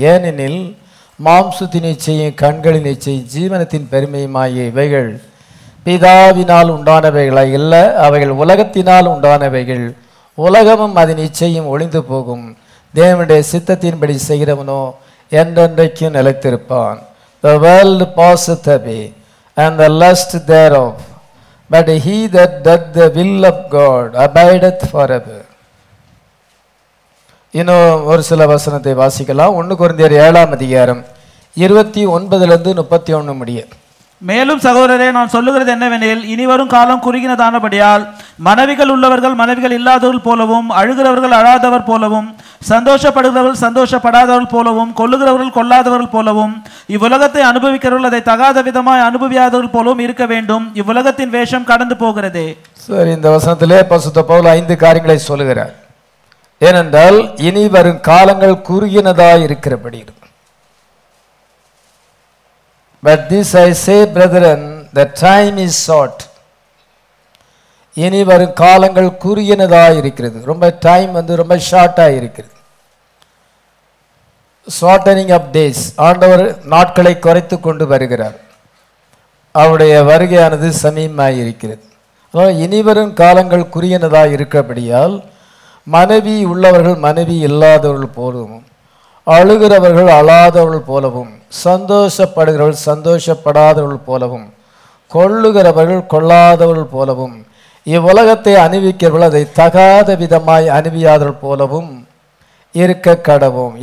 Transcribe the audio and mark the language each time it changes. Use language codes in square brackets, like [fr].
[ta] ஏனெனில் மாம்சத்தின் இச்சையும் கண்களின் இச்சையும் ஜீவனத்தின் பெருமையுமாகிய இவைகள் பிதாவினால் உண்டானவைகளாக இல்லை, அவைகள் உலகத்தினால் உண்டானவைகள். உலகமும் அதன் இச்சையும் ஒளிந்து போகும். தேவனுடைய சித்தத்தின்படி செய்கிறவனோ என்றென்றைக்கும் நிலைத்திருப்பான். [en] The world passeth away and the lust thereof, but he that doth the will of God abideth forever. [ta] இன்னும் ஒரு சில வசனத்தை வாசிக்கலாம். 1 கொரிந்தியர் 7:29 முடிய. மேலும் சகோதரரே, நான் சொல்லுகிறது என்னவெனில், இனிவரும் காலம் குறுகினதானபடியால் மனைவிகள் உள்ளவர்கள் மனைவிகள் இல்லாதவர்கள் போலவும், அழுகிறவர்கள் அழாதவர் போலவும், சந்தோஷப்படுகிறவர்கள் சந்தோஷப்படாதவர்கள் போலவும், கொள்ளுகிறவர்கள் கொள்ளாதவர்கள் போலவும், இவ்வுலகத்தை அனுபவிக்கிறவர்கள் அதை தகாத விதமாய் அனுபவியாதவர்கள் போலவும் இருக்க வேண்டும். இவ்வுலகத்தின் வேஷம் கடந்து போகிறதே. சரி, இந்த வசனத்திலே பரிசுத்த பவுல் 5 காரியங்களை சொல்லுகிறார். ஏனென்றால் இனிவரும் காலங்கள் குறுகினதாய் இருக்கிறபடி. [en] But this I say, brethren, the time is short. [ta] இனி வரும் காலங்கள் குறுகினதாக இருக்கிறது. ரொம்ப டைம் வந்து ரொம்ப ஷார்ட்டாக இருக்கிறது. [en] Shortening of days. [ta] ஆண்டவர் நாட்களை குறைத்து கொண்டு வருகிறார். அவருடைய வருகையானது சமீபமாக இருக்கிறது. அதனால் இனி வரும் காலங்கள் குறுகினதாக இருக்கபடியால் மனைவி உள்ளவர்கள் மனைவி இல்லாதவர்கள் போலவும், அழுகிறவர்கள் அழாதவர்கள் போலவும், சந்தோஷப்படுகிறவர்கள் சந்தோஷப்படாதவர்கள் போலவும், கொள்ளுகிறவர்கள் கொள்ளாதவர்கள் போலவும், இவ்வுலகத்தை அணிவிக்கிறவர்கள் அதை தகாத விதமாய் அணிவியாதவர்கள் போலவும் இருக்க கடவும்.